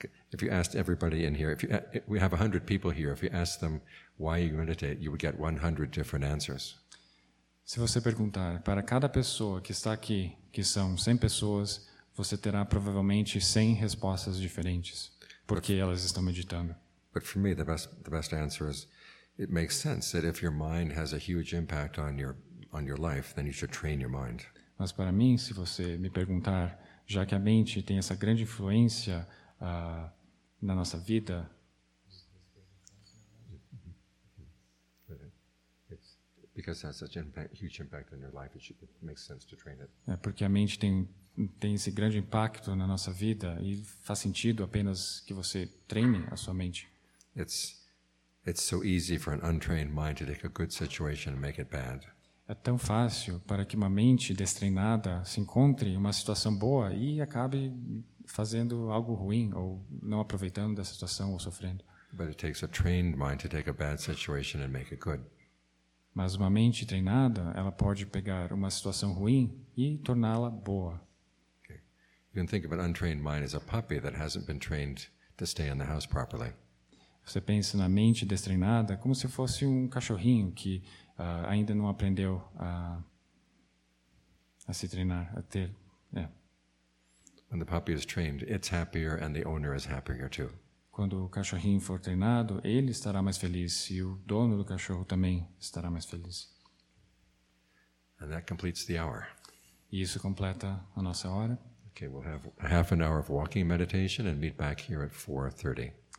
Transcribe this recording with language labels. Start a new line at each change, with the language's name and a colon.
English: If you asked everybody in here, we have 100 people here, if you asked them why you meditate, you would get 100 different answers.
Portuguese: Se você perguntar para cada pessoa que está aqui, que são 100 pessoas, você terá provavelmente 100 respostas diferentes, porque elas estão meditando.
English: But for me, the best answer is, it makes sense that if your mind has a huge impact on your life, then you should train your mind.
Portuguese: Mas para mim, se você me perguntar, já que a mente tem essa grande influência na nossa vida.
English: Because it has such huge impact on your life, it makes sense to train it.
Portuguese: É porque a mente tem esse grande impacto na nossa vida e faz sentido apenas que você treine a sua mente.
English: It's so easy for an untrained mind to take a good situation and make it bad.
Portuguese: É tão fácil para que uma mente destreinada se encontre em uma situação boa e acabe fazendo algo ruim ou não aproveitando da situação ou sofrendo.
English: But it takes a trained mind to take a bad situation and make it good.
Portuguese: Mas uma mente treinada, ela pode pegar uma situação ruim e torná-la boa.
English: Okay. You can think of an untrained mind as a puppy that hasn't been trained to stay in the house properly.
Portuguese: Você pensa na mente destreinada como se fosse cachorrinho que ainda não aprendeu a se treinar, a ter.
English: When the puppy is trained, it's happier and the owner is happier too.
Portuguese: Quando o cachorrinho for treinado, ele estará mais feliz e o dono do cachorro também estará mais feliz.
English: And that completes the hour.
Portuguese: E isso completa a nossa hora.
English: Okay, we'll have half an hour of walking meditation and meet back here at 4:30.